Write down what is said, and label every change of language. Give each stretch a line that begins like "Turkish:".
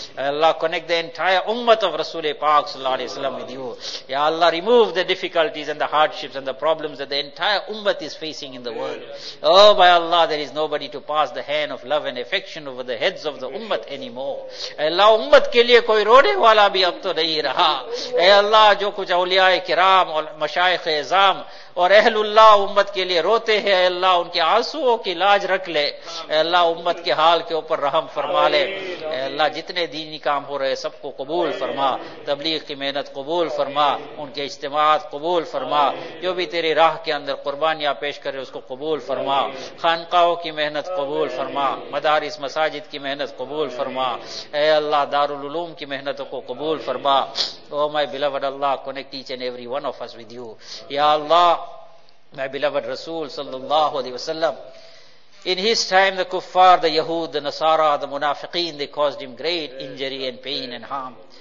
English: Ya Allah, connect the entire ummat of Rasul-e-Pak sallallahu alayhi wa sallam with you. Ya Allah, remove the difficulties and the hardships and the problems that the entire ummat is facing in the world. Oh, by Allah, there is nobody to pass the hand of love and affection over the heads of the ummat anymore.
Urdu: Ya Allah, ummat ke liye koi rone wala bhi ab to nahi raha. Ya Allah, jo kuch auliya-e-kiram aur mashayikh-e-azam اور اہل اللہ امت کے لیے روتے ہیں, اے اللہ ان کے آنسوؤں کی لاج رکھ لے. اے اللہ, امت کے حال کے اوپر رحم فرما لے. اے اللہ, جتنے دینی کام ہو رہے سب کو قبول فرما, تبلیغ کی محنت قبول فرما, ان کے اجتماعات قبول فرما, جو بھی تیری راہ کے اندر قربانیاں پیش کرے اس کو قبول فرما, خانقاہوں کی محنت قبول فرما, مدارس مساجد کی محنت قبول فرما. اے اللہ, دارالعلوم کی محنتوں کو قبول فرما.
English: Oh my beloved Allah, connect each and every one of us with you. Ya Allah, my beloved Rasul sallallahu alayhi wa sallam, in his time the kuffar, the yahood, the nasara, the munafiqeen, they caused him great injury and pain and harm.